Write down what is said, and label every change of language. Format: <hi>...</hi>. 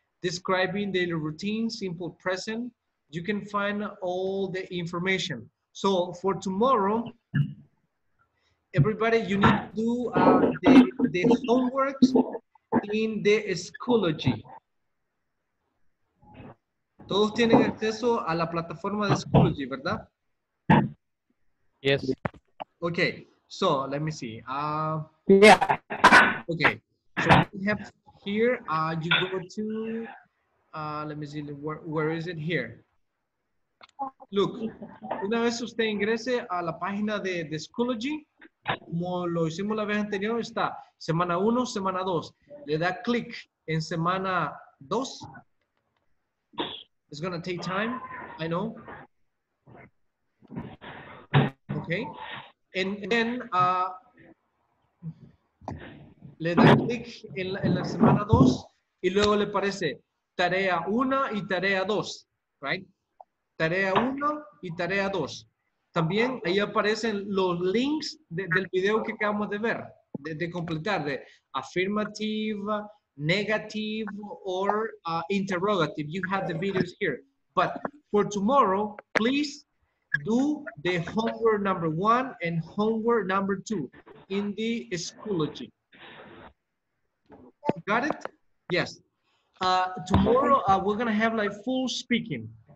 <en>Describing the routine, simple present. You can find all the information. So for tomorrow, everybody, you need to do the homework in the Schoology.</en> <es>Todos tienen acceso a la plataforma de Schoology, ¿verdad?</es> <en>Yes. Okay, so let me see. Yeah. Okay, so we have here, you go to, let me see, where is it here?</en> <es>Look, una vez usted ingrese a la página de Schoology, como lo hicimos la vez anterior, está semana 1, semana 2. Le da click en semana 2.</es> <en>It's going to take time, I know.</en> <es>Okay.</es> <en>And then</en> <es>le da click en la semana 2 y luego le aparece tarea 1 y tarea 2, right? Tarea 1 y tarea 2. También ahí aparecen los links del video que acabamos de ver, de completar, de</es> <en>affirmative, negative, or interrogative. You have the videos here. But for tomorrow, please do the homework number 1 and homework number 2 in the Schoology. Got it? Yes. Tomorrow, we're going to have like full speaking.</en>